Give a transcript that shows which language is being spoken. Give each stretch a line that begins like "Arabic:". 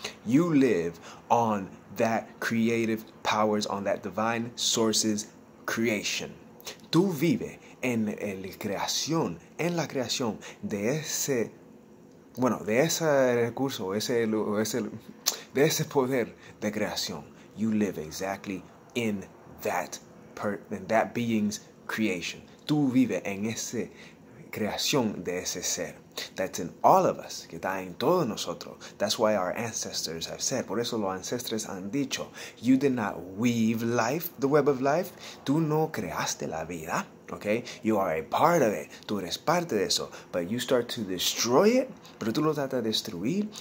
English: You live on that creative powers, on that divine source's creation.
Spanish: Tú vives en el creación, en la creación de ese, bueno, de ese recurso, de ese poder de creación.
English: You live exactly in that being's creation.
Spanish: Tú vives en esa creación de ese ser.
English: That's in all of us,
Spanish: que está en todos nosotros.
English: That's why our ancestors have said,
Spanish: por eso los ancestres han dicho,
English: you did not weave life, the web of life.
Spanish: Tú no creaste la vida, okay?
English: You are a part of it.
Spanish: Tú eres parte de eso.
English: But you start to destroy it,
Spanish: pero tú lo tratas de destruir.